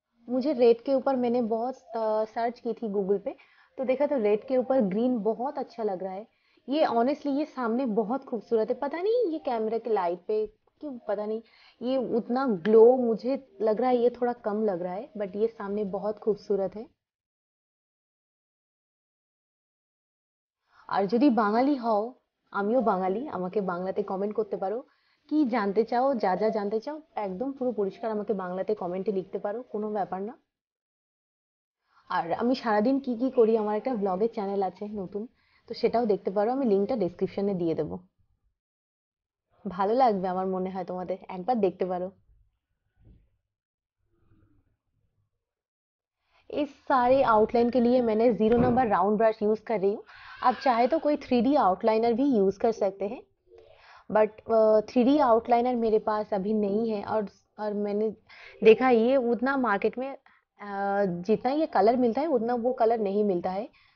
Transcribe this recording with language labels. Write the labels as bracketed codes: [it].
[hi] मुझे रेड के ऊपर मैंने बहुत सर्च की थी गूगल पे, तो देखा तो रेड के ऊपर ग्रीन बहुत अच्छा लग रहा है। ये ऑनेस्टली ये सामने बहुत खूबसूरत है। पता नहीं ये कैमरे के लाइट पे क्यों, पता नहीं ये उतना ग्लो मुझे लग रहा है, ये थोड़ा कम लग रहा है, बट ये सामने बहुत खूबसूरत है। [bn] আর যদি বাঙালি হও, আমিও বাঙালি, আমাকে বাংলাতে কমেন্ট করতে পারো, কি জানতে চাও, যা যা জানতে চাও একদম পুরো পরিষ্কার আমাকে বাংলাতে কমেন্টে লিখতে পারো, কোনো ব্যাপার না। আর আমি সারাদিন কি কি করি, আমার একটা ব্লগের চ্যানেল আছে নতুন, তো সেটাও দেখতে পারো, আমি লিঙ্কটা ডিসক্রিপশনে দিয়ে দেবো। ভালো লাগবে আমার মনে হয় তোমাদের, একবার দেখতে পারো। [hi] इस सारे आउटलाइन के लिए मैंने 0 नंबर राउंड ब्रश यूज़ कर रही हूँ। आप चाहे तो कोई 3D आउटलाइनर भी यूज़ कर सकते हैं, बट 3D आउटलाइनर मेरे पास अभी नहीं है। और मैंने देखा ये उतना मार्केट में जितना ये कलर मिलता है उतना वो कलर नहीं मिलता है।